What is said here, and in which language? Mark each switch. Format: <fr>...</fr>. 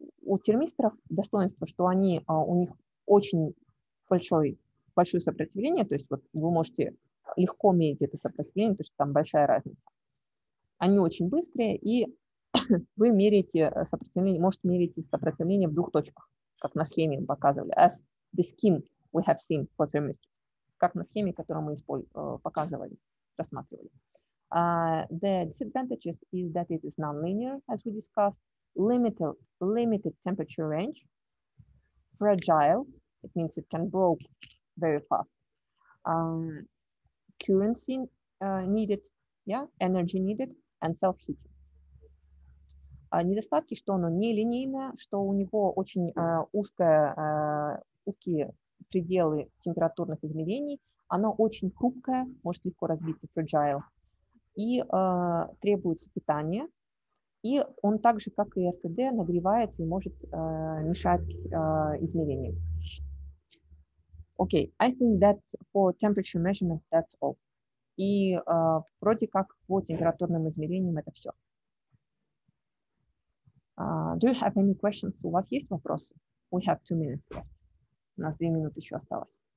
<ru>У термисторов достоинство, что они у них очень большое сопротивление, то есть вот вы можете легко мерить это сопротивление, потому что там большая разница. Они очень быстрые, и вы меряете сопротивление, можете мерить сопротивление в 2 точках, как на схеме показывали.</ru> <en>As the scheme we have seen for thermistors.</en> <ru>как на схеме, которую мы показывали, рассматривали.</ru> <en>The disadvantages is that it is non-linear, as we discussed, limited temperature range, fragile, it means it can break very fast, currency needed, yeah, energy needed, and self-heating.</en> <ru>Недостатки, что оно нелинейное, что у него очень узкие пределы температурных измерений, оно очень хрупкое, может легко разбиться, fragile, и требуется питание, и он также, как и РКД, нагревается и может мешать измерениям.</ru> <en>Okay, I think that for temperature measurement, that's all.</en> <ru>И вроде как по температурным измерениям это все.</ru> <en>Do you have any questions?</en> <ru>У вас есть вопросы?</ru> <en>We have 2 minutes left.</en> <ru>У нас 2 минуты еще осталось.</ru>